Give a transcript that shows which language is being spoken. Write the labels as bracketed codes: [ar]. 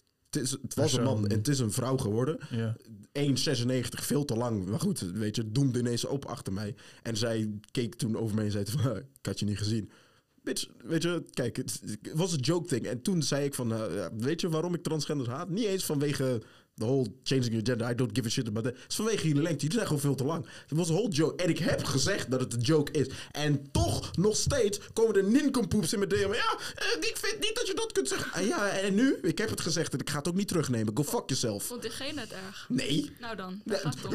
[nl] Het was een man en het is een vrouw geworden. [en] Yeah. [nl] 1,96, veel te lang. Maar goed, weet je, doemde ineens op achter mij. En zij keek toen over mij en zei van, ik had je niet gezien. Bitch, weet je, kijk, het was een joke thing. En toen zei ik van, weet je waarom ik transgenders haat? Niet eens vanwege... [en] The whole changing your gender, I don't give a shit about that. [nl] Het is vanwege jullie lengte, jullie zijn gewoon veel te lang. Het was een whole joke. En ik heb gezegd dat het een joke is. En toch nog steeds komen er nincompoops in mijn DM. Ja, ik vind niet dat je dat kunt zeggen. Ja, en nu? Ik heb het gezegd en ik ga het ook niet terugnemen. [en] Go fuck yourself. [nl] Vond diegene het erg? Nee. Nou dan. Dat